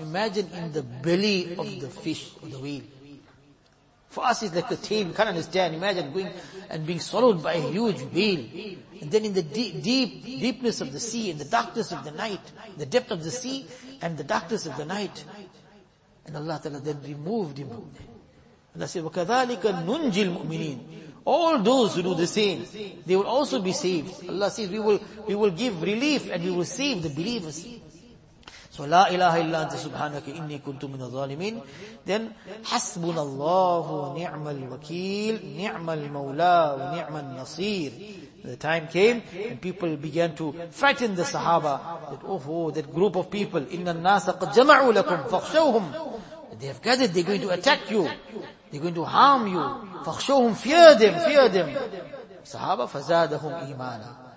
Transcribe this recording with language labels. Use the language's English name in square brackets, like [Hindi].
[English] Imagine in the belly of the fish, of the whale. For us it's like a tail, we can't understand. Imagine going and being swallowed by a huge whale. And then in the deepness of the sea, in the darkness of the night, the depth of the sea and the darkness of the night. And Allah Ta'ala then removed him from there. Allah said, [Arabic] وَكَذَٰلِكَ نُنْجِي الْمُؤْمِنِينَ. [English] All those who do the same, they will also be saved. Allah says, we will give relief and we will save the believers. [Arabic] So, لا إله إلا أنت سبحانك إني كنت من الظالمين. Then, حسبنا الله ونعم الوكيل نعم المولى ونعم النصير. [English] The time came and people began to frighten the Sahaba. That, oh, that group of people. [Arabic] إِنَّ النَّاسَ قَدْ جَمَعُوا لَكُمْ فَخْشَوْهُمْ. [English] They have gathered, they're going to attack you. They're going to harm you. [Arabic] فَخْشَوْهُمْ. [English] Fear them, fear them. Sahaba [Arabic] فَزَادَهُمْ إِيمَانًا.